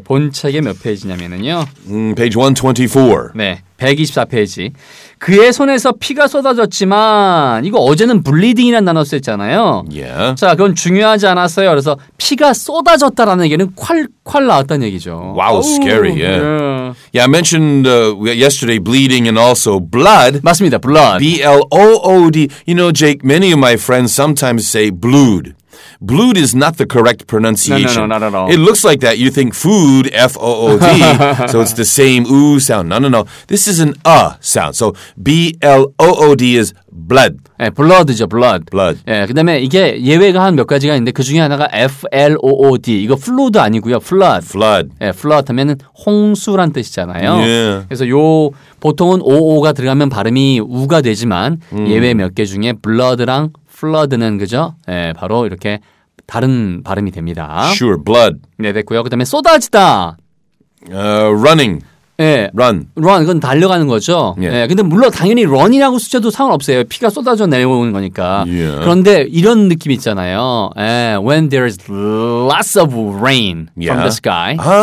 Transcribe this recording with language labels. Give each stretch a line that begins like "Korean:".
Korean: 본 책의 몇 페이지냐면요.
English: Page 124.
Korean: 네. 124페이지. 그의 손에서 피가 쏟아졌지만 이거 어제는 블리딩이라는 단어 쓰였잖아요.
English: Yeah.
Korean: 자, 그건 중요하지 않았어요. 그래서 피가 쏟아졌다라는 얘기는 콸콸 나왔다는 얘기죠.
English: Wow, scary. Yeah. Yeah. Yeah, I mentioned yesterday bleeding and also blood.
Korean: 맞습니다. Blood.
English: B-L-O-O-D. You know, Jake, many of my friends sometimes say blued. Blued is not the correct pronunciation. No, no, no, not at all. It looks like that. You think food, F-O-O-D, so it's the same oo sound. No, no, no. This is an sound. So B-L-O-O-D is blood.
Korean: 네, blood죠, blood.
English: Blood.
Korean: 네, 그다음에 이게 예외가 한 몇 가지가 있는데 그중에 하나가 F-L-O-O-D. 이거 flood 아니고요. Flood.
English: Flood.
Korean: 네, flood 하면 홍수란 뜻이잖아요.
English: Yeah.
Korean: 그래서 요 보통은 O-O가 들어가면 발음이 우가 되지만 예외 몇 개 중에 blood랑 flood는 그죠? 네, 바로 이렇게 다른 발음이 됩니다.
English: Sure, blood.
Korean: 네, 됐고요. 그 다음에 쏟아지다.
English: Running.
Korean: 네.
English: Run.
Korean: Run, 그건 달려가는 거죠. 예. 네, 근데 물론 당연히 run이라고 쓰셔도 상관없어요. 피가 쏟아져 내려오는 거니까.
English: Yeah.
Korean: 그런데 이런 느낌 있잖아요.
English: 네, when there is lots of rain from the sky.